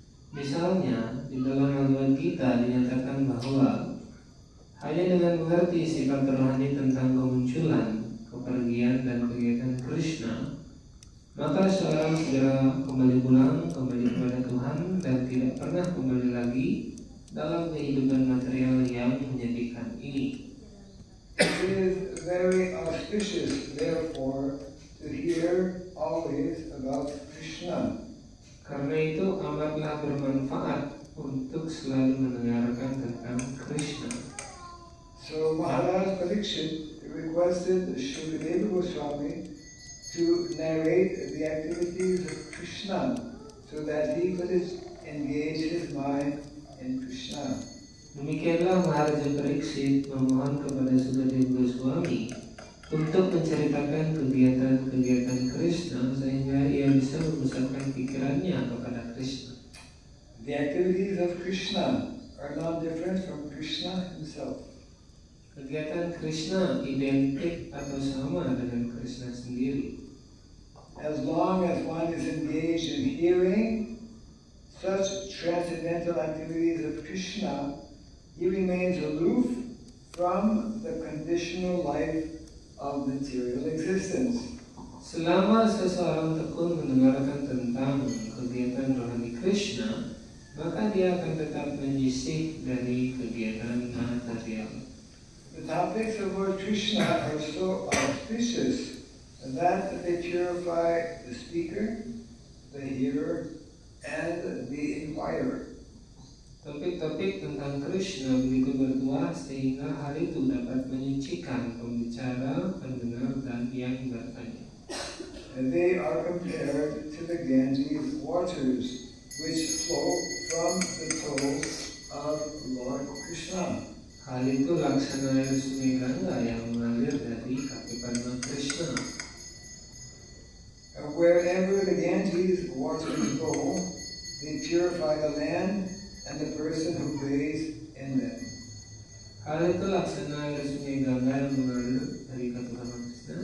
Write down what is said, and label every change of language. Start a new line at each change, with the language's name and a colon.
Indonesian: Misalnya, di dalam Bhagavad Gita dinyatakan bahwa hanya dengan mengerti sifat rohani tentang kemunculan, kepergian, dan kegiatan Krishna, maka seorang segera kembali pulang, kembali kepada Tuhan, dan tidak pernah kembali lagi dalam kehidupan material yang menyedihkan ini.
English: It is very auspicious, therefore, to hear always about Krishna.
Indonesian: Karena itu amatlah bermanfaat untuk selalu mendengarkan tentang Krishna.
English: So Maharaj Parikshit requested Shukadeva Goswami to narrate the activities of Krishna so that he could engage his mind in Krishna.
Indonesian: Demikianlah Maharaja Parikshit memohon kepada Sukadeva Goswami untuk menceritakan kegiatan-kegiatan Krishna sehingga ia bisa memusatkan pikirannya kepada Krishna.
English: The activities of Krishna are not different from Krishna himself.
Indonesian: Kegiatan Krishna identik atau sama dengan Krishna sendiri.
English: As long as one is engaged in hearing such transcendental activities of Krishna, he remains aloof from the conditional life of material existence.
Indonesian: Selama seseorang tekun mendengarkan tentang kegiatan rohani Krishna, maka dia akan tetap menyisih dari kegiatan material.
English: The topics of Lord Krishna are so auspicious that they purify the speaker, the hearer, and the inquirer.
Indonesian: Topik-topik tentang Krishna berikut berdua sehingga hal itu dapat menyucikan pembicara, pendengar, dan yang bertanya.
English: And they are compared to the Ganges waters which flow from the toes of Lord Krishna.
Indonesian: Hal itu laksana air sungai Gangga yang mengalir dari kaki Lord Krishna.
English: And wherever the Ganges waters flow, they purify the land and the person who bathes in them.
Indonesian: Hal itu laksana air sungai Gangga yang mengalir dari kaki Lord Krishna.